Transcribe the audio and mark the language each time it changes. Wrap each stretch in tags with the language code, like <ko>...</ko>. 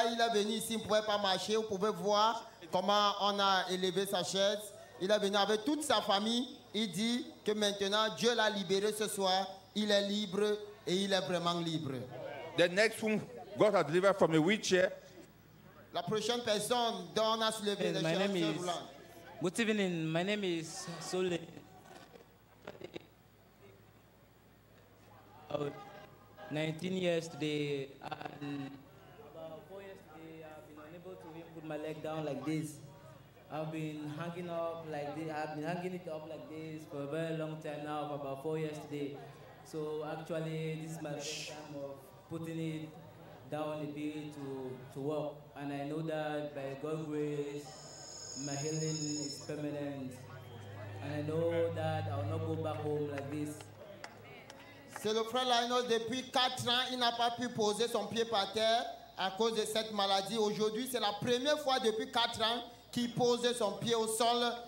<fr>Il est venu ici, il ne pouvait pas marcher. Vous pouvez voir comment on a élevé sa chaise. Il est venu avec toute sa famille. Il dit que maintenant, Dieu l'a libéré ce soir. Il est libre et il est vraiment libre.</fr> <en>The next one, God has delivered from a wheelchair.</en> <fr>La prochaine personne dont on a soulevé la chaise.</fr> <en>Good evening. My name is Sole. Oh. 19 years today, and about 4 years today, I've been unable to even put my leg down like this. I've been hanging it up like this for a very long time now, for about 4 years today. So actually, this is my first time of putting it down a bit to walk. And I know that by God's grace, my healing is permanent. And I know that I'll not go back home like this.</en> <fr>C'est le frère Lionel, depuis 4 ans, il n'a pas pu poser son pied par terre à cause de cette maladie. Aujourd'hui, c'est la première fois depuis 4 ans qu'il pose son pied au sol.</fr>